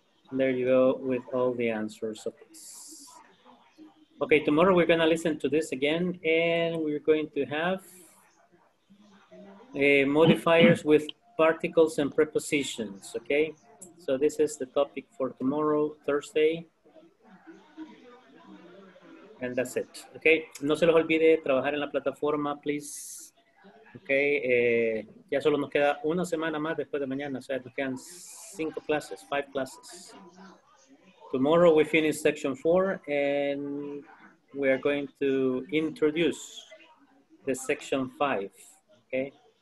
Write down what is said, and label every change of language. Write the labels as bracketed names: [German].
[English] And there you go with all the answers of this. Okay, tomorrow we're gonna listen to this again, and we're going to have modifiers with particles and prepositions, okay? So this is the topic for tomorrow, Thursday. And that's it, okay? [Spanish] No se los olvide trabajar en la plataforma, please. Okay, ya solo nos queda una semana más después de mañana, o sea, nos quedan 5 classes. [English] Tomorrow we finish section 4 and we are going to introduce the section 5, okay?